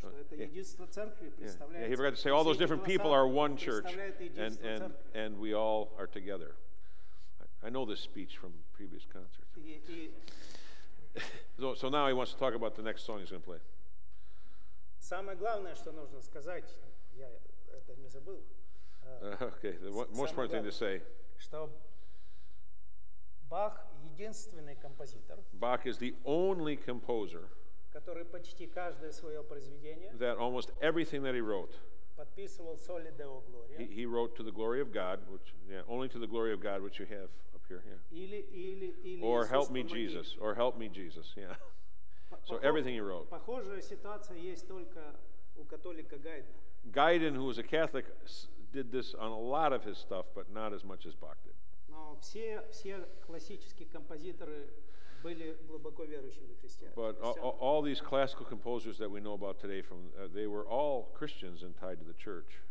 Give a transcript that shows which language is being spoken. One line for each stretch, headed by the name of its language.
English: He forgot to say all those different people are one church, and we all are together. I know this speech from previous concerts. So now he wants to talk about the next song he's going to play.
Russian: Самое главное, что нужно сказать, я это не забыл.
English: Okay, the most important thing to say.
Russian: Что Бах единственный композитор.
English: Bach is the only composer.
Russian: Который почти каждое свое произведение.
English: That almost everything that he wrote.
Russian: Подписывал Соли Део Глория.
English: He wrote to the glory of God, only to the glory of God, which you have up here. Yeah.
Russian: Или
English: or help me, Jesus. Or help me, Jesus. Yeah. So everything he wrote.
Russian: Похожая ситуация есть только у католика Гайдна.
English: Гайден, who was a Catholic, did this on a lot of his stuff, but not as much as Bach did.
Russian: Но все классические композиторы были глубоко верующими христианами.
English: But all these classical composers that we know about today, they were all Christians and tied to the church.